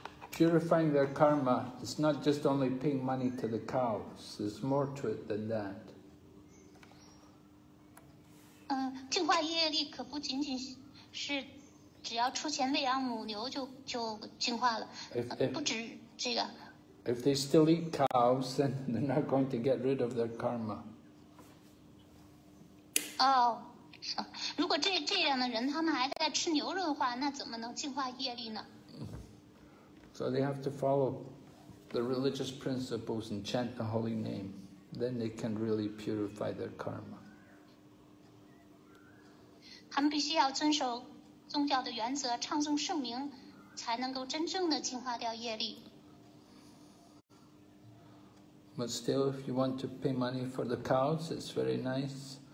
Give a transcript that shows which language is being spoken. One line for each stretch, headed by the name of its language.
English: Purifying their karma, it's not just only paying money to the cows, there's more to it than that.
Chinese: 净化业力可不仅仅是只要出钱喂养母牛就净化了，不止这个。
English: If they still eat cows, then they're not going to get rid of their karma.
Chinese: Oh, 如果这样的人他们还在吃牛肉的话，那怎么能净化业力呢？
English: So they have to follow the religious principles and chant the holy name. Then they can really purify their karma.
Chinese: 他们必须要遵守宗教的原则，唱诵圣名，才能够真正的净化掉业力。
English: But still, if you want to pay money for the cows, it's very nice.